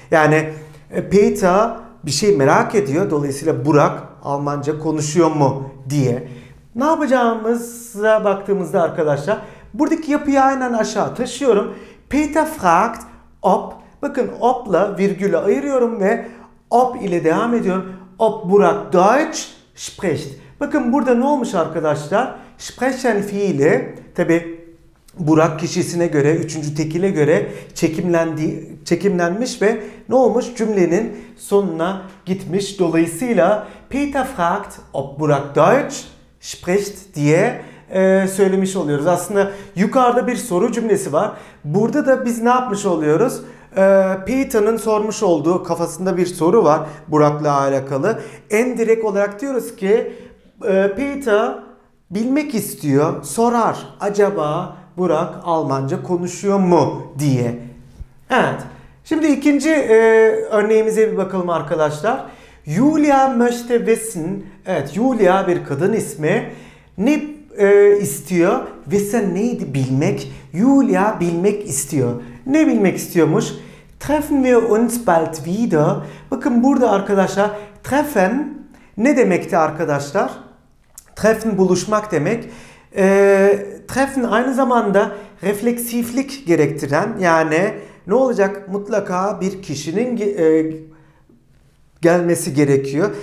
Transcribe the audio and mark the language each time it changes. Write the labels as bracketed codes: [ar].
[tr] Yani Peter bir şey merak ediyor. Dolayısıyla Burak Almanca konuşuyor mu diye. Ne yapacağımıza baktığımızda arkadaşlar buradaki yapıyı aynen aşağı taşıyorum. [de] Peter fragt ob. [tr] Bakın ob'la virgülü ayırıyorum ve ob ile devam ediyorum. [de] Ob Burak Deutsch spricht. [tr] Bakın burada ne olmuş arkadaşlar? Sprechen fiili tabi Burak kişisine göre, üçüncü tekile göre çekimlenmiş ve ne olmuş? Cümlenin sonuna gitmiş. Dolayısıyla [de] Peter fragt ob Burak Deutsch spricht [tr] diye söylemiş oluyoruz. Aslında yukarıda bir soru cümlesi var. Burada da biz ne yapmış oluyoruz? Peter'ın sormuş olduğu kafasında bir soru var Burak'la alakalı. En direkt olarak diyoruz ki Peter bilmek istiyor, sorar. Acaba Burak Almanca konuşuyor mu diye. Evet. Şimdi ikinci örneğimize bir bakalım arkadaşlar. [de] Julia möchte wissen. [tr] Evet, Julia bir kadın ismi. Ne istiyor? Wissen neydi? Bilmek. Julia bilmek istiyor. Ne bilmek istiyormuş? [de] Treffen wir uns bald wieder. [tr] Bakın burada arkadaşlar treffen ne demekti arkadaşlar? Treffen buluşmak demek. Treffen aynı zamanda refleksiflik gerektiren, yani ne olacak? Mutlaka bir kişinin gelmesi gerekiyor.